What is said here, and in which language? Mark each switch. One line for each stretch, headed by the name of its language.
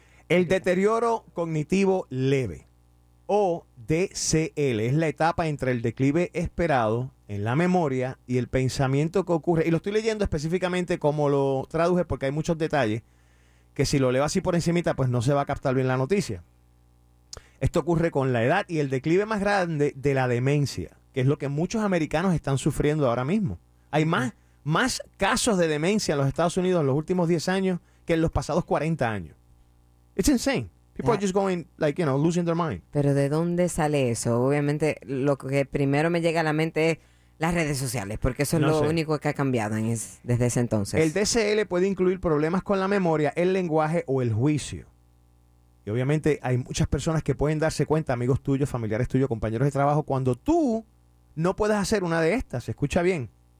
Spanish: El deterioro cognitivo leve, o DCL, es la etapa entre el declive esperado en la memoria y el pensamiento que ocurre. Y lo estoy leyendo específicamente como lo traduje, porque hay muchos detalles que si lo leo así por encimita, pues no se va a captar bien la noticia. Esto ocurre con la edad y el declive más grande de la demencia, que es lo que muchos americanos están sufriendo ahora mismo. Hay más casos de demencia en los Estados Unidos en los últimos 10 años que en los pasados 40 años.
English: It's insane. People are just going, like, you know, losing their mind.
Spanish: ¿Pero de dónde sale eso? Obviamente, lo que primero me llega a la mente es las redes sociales, porque eso es lo único que ha cambiado desde ese entonces. El DCL puede incluir problemas con la memoria, el lenguaje o el juicio. Y obviamente hay muchas personas que pueden darse cuenta, amigos tuyos, familiares tuyos, compañeros de trabajo, cuando tú no puedes hacer una de estas. Escucha bien.